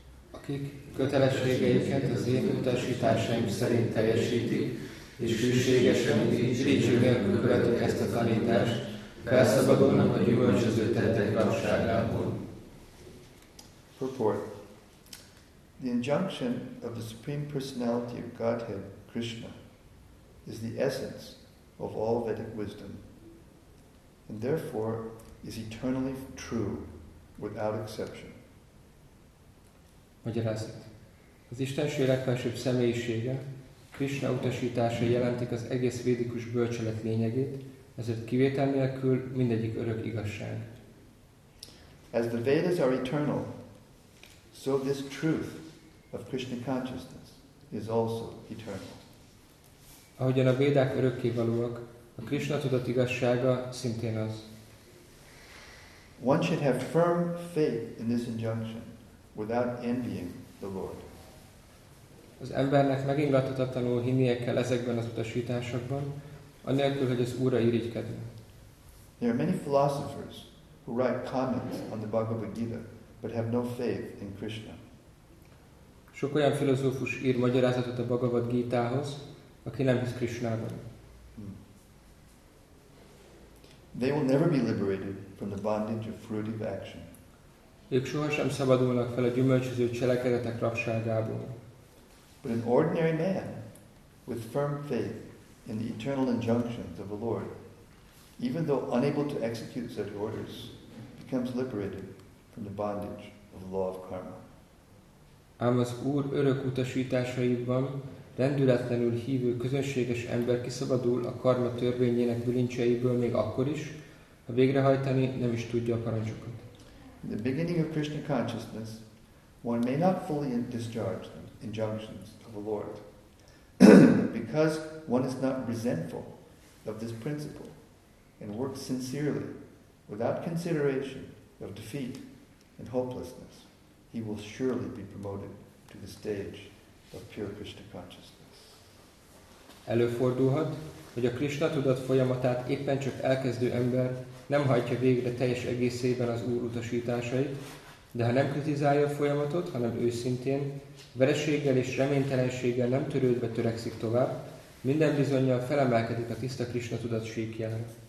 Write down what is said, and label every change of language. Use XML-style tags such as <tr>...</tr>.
<hu>Akik kötelességeiket az én utasításaim szerint teljesítik, és hűségesen dicsőnek követik ezt a tanítást, felszabadulnak a gyümölcsöző tettek rabságából.</hu> <en>Purport. The injunction of the Supreme Personality of Godhead, Krishna, is the essence of all Vedic wisdom, and therefore is eternally true without exception.</en> <hu>Magyarázat. Az Istenség legfelsőbb személyisége, Krishna utasításai jelentik az egész védikus bölcselet lényegét, ezért kivétel nélkül mindegyik örök igazság.</hu> <en>As the Vedas are eternal, so this truth of Krishna consciousness is also eternal.</en> <hu>Ahogyan a védák örökké valóak, a Krishna tudat igazsága szintén az.</hu> <en>One should have firm faith in this injunction without envying the Lord.</en> <hu>Az embernek megingathatatlanul hinnie kell ezekben az utasításokban, anélkül, hogy az Úrra irigykedne.</hu> <en>There are many philosophers who write comments on the Bhagavad Gita, but have no faith in Krishna.</en> <hu>Sok olyan filozófus ír magyarázatot a Bhagavad Gita-hoz, aki nem hisz Krishnában.</hu> <en>They will never be liberated from the bondage of fruitive action.</en> <hu>Ők sohasem szabadulnak fel a gyümölcsöző cselekedetek rabságából.</hu> <en>But an ordinary man, with firm faith in the eternal injunctions of the Lord, even though unable to execute such orders, becomes liberated from the bondage of the law of karma.</en> <hu>Ám az Úr örök utasításaiban rendületlenül hívő közönséges ember kiszabadul a karma törvényének bilincseiből még akkor is, ha végrehajtani nem is tudja a parancsokat.</hu> <en>In the beginning of Krishna consciousness, one may not fully discharge the injunctions of the Lord, because one is not resentful of this principle and works sincerely, without consideration of defeat and hopelessness, he will surely be promoted to the stage of pure Krishna consciousness.</en> <hu>Előfordulhat, hogy a Krisna tudat folyamatát éppen csak elkezdő ember nem hajtja végre teljes egészében az Úr utasításait, de ha nem kritizálja a folyamatot, hanem őszintén, vereséggel és reménytelenséggel nem törődve törekszik tovább, minden bizonnyal felemelkedik a tiszta Krisna tudat síkjelen.</hu>